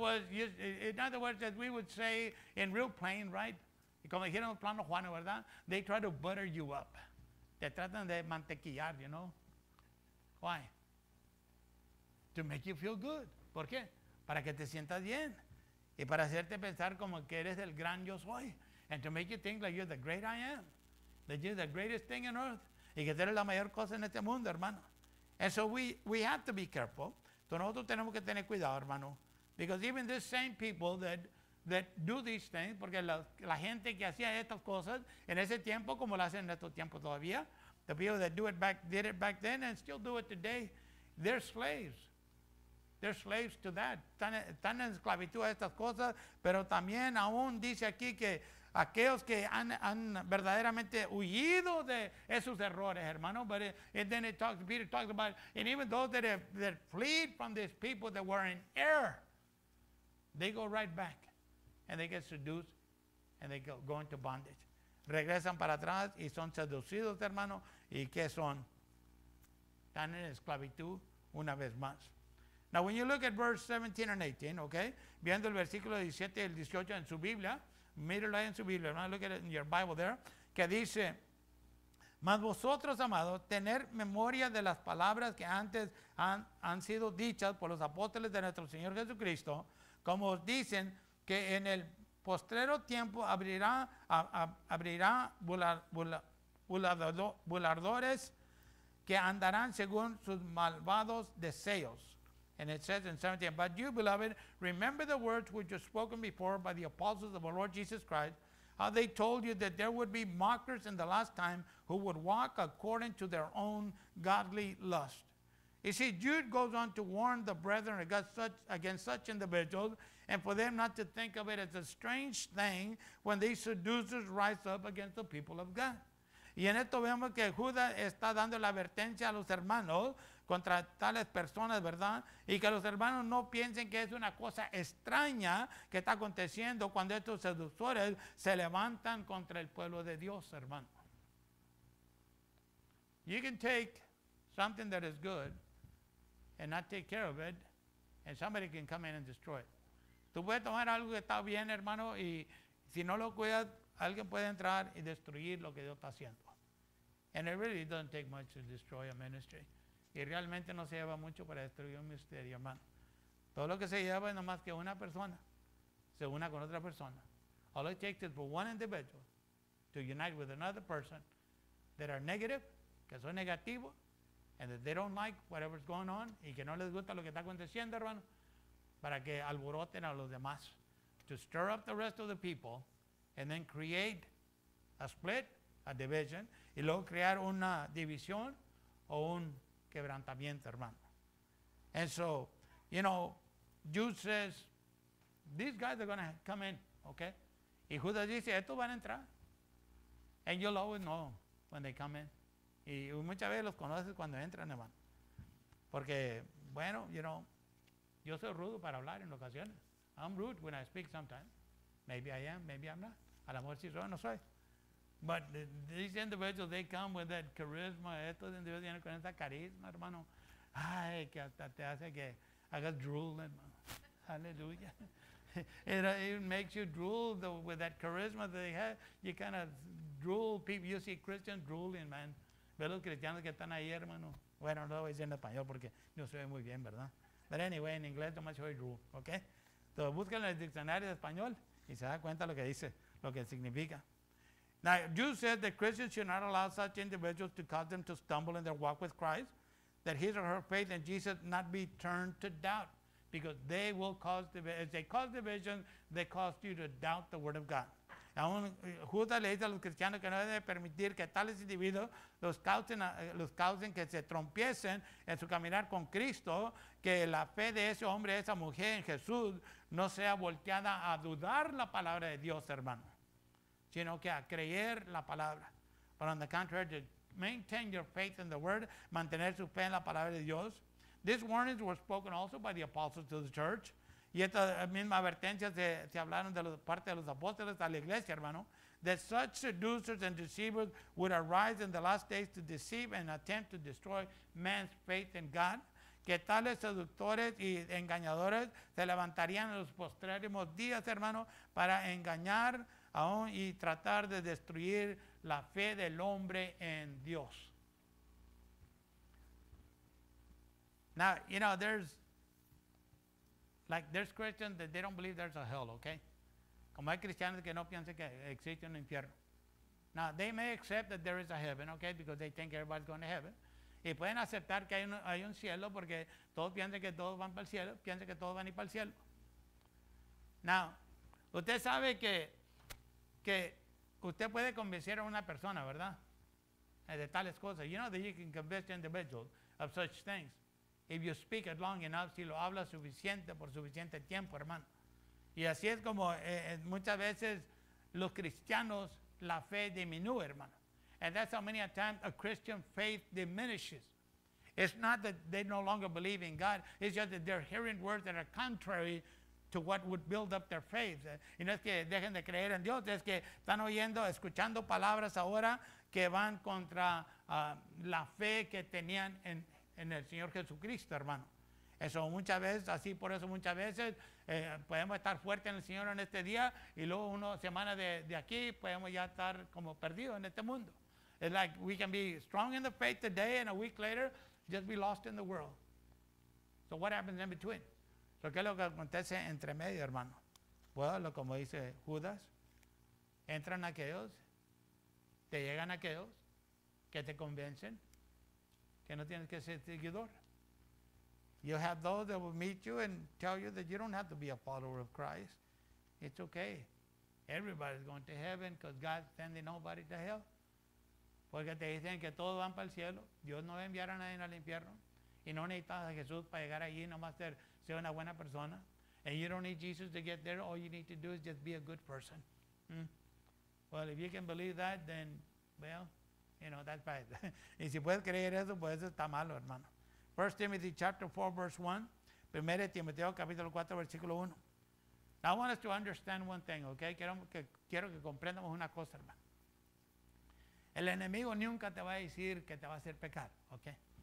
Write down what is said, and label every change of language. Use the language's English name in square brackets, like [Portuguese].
[English] In other words, as we would say in real plain, right? [Spanish] Como dijeron los planos Juanes, ¿verdad? [English] They try to butter you up. [Spanish] Te tratan de mantequillar, [English] you know? Why? To make you feel good. [Spanish] ¿Por qué? Para que te sientas bien. Y para hacerte pensar como que eres el gran yo soy. [English] And to make you think like you're the great I am. That you're the greatest thing on earth. [Spanish] Y que eres la mayor cosa en este mundo, hermano. [English] And so we have to be careful. [Spanish] Entonces nosotros tenemos que tener cuidado, hermano. [English] Because even the same people that do these things, [Spanish] porque la gente que hacía estas cosas en ese tiempo, como lo hacen en estos tiempos todavía, [English] the people that did it back then and still do it today, they're slaves. They're slaves to that. [Spanish] Están en esclavitud a estas cosas, pero también aún dice aquí que aquellos que han verdaderamente huido de esos errores, hermano. [English] But Peter talks about, and even those that fled from these people that were in error, they go right back. And they get seduced and they go into bondage. [Spanish] Regresan para atrás y son seducidos, hermano. ¿Y qué son? Están en esclavitud una vez más. [English] Now, when you look at verse 17 and 18, okay? [Spanish] Viendo el versículo 17 y el 18 en su Biblia. Míralo en su Biblia, hermano. [English] Look at it in your Bible there. [Spanish] Que dice, mas vosotros, amados, tener memoria de las palabras que antes han sido dichas por los apóstoles de nuestro Señor Jesucristo, como os dicen, que en el postrero tiempo abrirá bulardores que andarán según sus malvados deseos. [English] And it says in 17, but you, beloved, remember the words which were spoken before by the apostles of the Lord Jesus Christ, how they told you that there would be mockers in the last time who would walk according to their own godly lust. You see, Jude goes on to warn the brethren against such individuals and for them not to think of it as a strange thing when these seducers rise up against the people of God. [Spanish] Y en esto vemos que Judas está dando la advertencia a los hermanos contra tales personas, ¿verdad? Y que los hermanos no piensen que es una cosa extraña que está aconteciendo cuando estos seductores se levantan contra el pueblo de Dios, hermano. [English] You can take something that is good and not take care of it, and somebody can come in and destroy it. [Spanish] Tú puedes tomar algo que está bien, hermano, y si no lo cuidas, alguien puede entrar y destruir lo que Dios está haciendo. [English] And it really doesn't take much to destroy a ministry. [Spanish] Y realmente no se lleva mucho para destruir un ministerio, hermano. Todo lo que se lleva es nomás que una persona se una con otra persona. [English] All it takes is for one individual to unite with another person that are negative, [Spanish] que son negativos, [English] and that they don't like whatever's going on, [Spanish] y que no les gusta lo que está aconteciendo, hermano, para que alboroten a los demás, [English] to stir up the rest of the people, and then create a split, a division, [Spanish] y luego crear una división o un quebrantamiento, hermano. [English] And so, you know, Jude says, these guys are going to come in, okay? [Spanish] Y Judas dice, estos van a entrar. [English] And you'll always know when they come in. [Spanish] Y muchas veces los conoces cuando entran, hermano. Porque, bueno, you know, yo soy rudo para hablar en ocasiones. [English] I'm rude when I speak sometimes. Maybe I am, maybe I'm not. [Spanish] A lo mejor sí soy, no soy. [English] But these individuals, they come with that charisma. [Spanish] Estos individuos vienen con esa carisma, hermano. Ay, que hasta te hace que hagas drool, hermano. Aleluya. [English] It makes you drool with that charisma that they have. You kind of drool. People, you see Christians drooling, man. [Spanish] Ve los cristianos que están ahí, hermano. Bueno, no lo voy a decir en español porque no se ve muy bien, ¿verdad? But anyway, en inglés no más se oye drool, ¿ok? Entonces, búsquenlo en el diccionario de español y se da cuenta lo que dice, lo que significa. [English] Now, you said that Christians should not allow such individuals to cause them to stumble in their walk with Christ, that his or her faith in Jesus not be turned to doubt, because they will cause division. If they cause division, they cause you to doubt the word of God. [Spanish] Aún Judas le dice a los cristianos que no deben permitir que tales individuos los causen que se trompiesen en su caminar con Cristo, que la fe de ese hombre, esa mujer en Jesús, no sea volteada a dudar la palabra de Dios, hermano, sino que a creer la palabra. [English] But on the contrary, to maintain your faith in the word, [Spanish] mantener su fe en la palabra de Dios. [English] These warnings were spoken also by the apostles to the church. [Spanish] Y esta misma advertencia se hablaron de parte de los apóstoles a la iglesia, hermano. [English] That such seducers and deceivers would arise in the last days to deceive and attempt to destroy man's faith in God. [Spanish] Que tales seductores y engañadores se levantarían en los postrerimos días, hermano, para engañar aún y tratar de destruir la fe del hombre en Dios. [English] Now, you know, there's Christians that they don't believe there's a hell, okay? [Spanish] Como hay cristianos que no piensan que existe un infierno. [English] Now, they may accept that there is a heaven, okay, because they think everybody's going to heaven. [Spanish] Y pueden aceptar que hay un cielo porque todos piensan que todos van para el cielo, piensan que todos van a ir para el cielo. Now, usted sabe que usted puede convencer a una persona, ¿verdad? De tales cosas. [English] You know that you can convince an individual of such things. If you speak it long enough, [Spanish] si lo habla suficiente, por suficiente tiempo, hermano. Y así es como muchas veces los cristianos, la fe disminuye, hermano. [English] And that's how many a time a Christian faith diminishes. It's not that they no longer believe in God. It's just that they're hearing words that are contrary to what would build up their faith. [Spanish] Y no es que dejen de creer en Dios, es que están oyendo, escuchando palabras ahora que van contra la fe que tenían en el Señor Jesucristo, hermano. Eso muchas veces, así por eso muchas veces, podemos estar fuertes en el Señor en este día, y luego una semana de aquí, podemos ya estar como perdidos en este mundo. [English] It's like we can be strong in the faith today, and a week later, just be lost in the world. So what happens in between? [Spanish] So ¿qué es lo que acontece entre medio, hermano? Bueno, well, como dice Judas, entran aquellos, te llegan aquellos, que te convencen, que no tienes que ser seguidor. [English] You have those that will meet you and tell you that you don't have to be a follower of Christ. It's okay. Everybody's going to heaven because God's sending nobody to hell. [Spanish] Porque te dicen que todos van para el cielo. Dios no va a enviar a nadie al infierno. Y no necesitas a Jesús para llegar allí, nomás ser una buena persona. [English] And you don't need Jesus to get there. All you need to do is just be a good person. Well, if you can believe that, then, well, you know, that's bad. [Spanish] Y si puedes creer eso, pues eso está malo, hermano. [English] 1 Timothy chapter 4, verse 1. [Spanish] 1 Timoteo capítulo 4, versículo 1. [English] Now I want us to understand one thing, okay? [Spanish] Quiero que comprendamos una cosa, hermano. El enemigo nunca te va a decir que te va a hacer pecar, okay?